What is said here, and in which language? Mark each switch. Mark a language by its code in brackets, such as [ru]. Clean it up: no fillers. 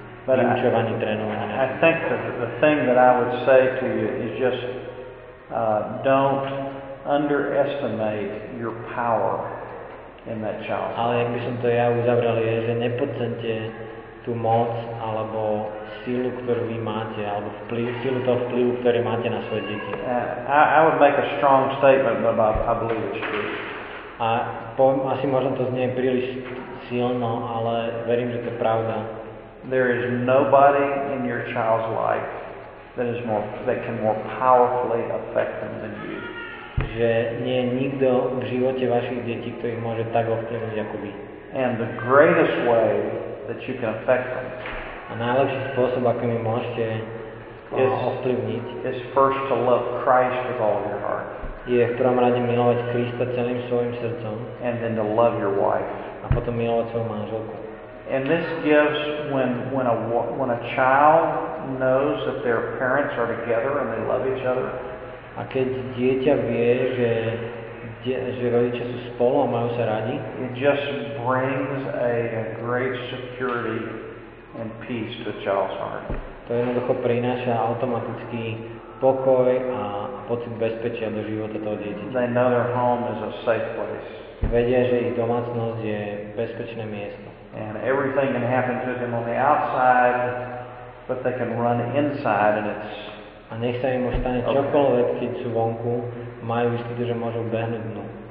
[en] But I think the thing that I would say to you is just don't underestimate your power in that child. [sk] Ale ak by som to ja uzavrel, je, že nepodceňte tú moc alebo silu, ktorú vy máte, alebo silu toho vplyvu, ktorý máte na svoje deti. [en] I would make a strong statement, but I believe it's true. [sk] A asi možno to znie príliš silno, ale verím, že to je pravda. [en] There is nobody in your child's life that can more powerfully affect them than you. [sk] Že nie je nikto v živote vašich detí, kto ich môže tak ovplyvniť ako vy. [en] And the greatest way that you can affect them. [sk] A najlepší spôsob, akým ich môžete ovplyvniť, [en] is first to love Christ with all your heart. [sk] Je v prvom rade milovať Krista celým svojim srdcom. [en] And then to love your wife. [sk] A potom milovať svoju manželku. [en] And this gives when a child knows that their parents are together and they love each other. [sk] A keď dieťa vie, že rodičia sú spolu a majú sa radi, [en] it just brings a great security and peace to a child's heart. [sk] To jednoducho prináša automatický pokoj a pocit bezpečia do života toho dieťa. [en] They know their home is a safe place. [sk] Vedia, že ich domácnosť je bezpečné miesto. [en] And everything can happen to them on the outside, but they can run inside and it's [sk] a nech sa im už stane čokoľvek, keď sú vonku, majú istotu, že môžu behnúť dnu.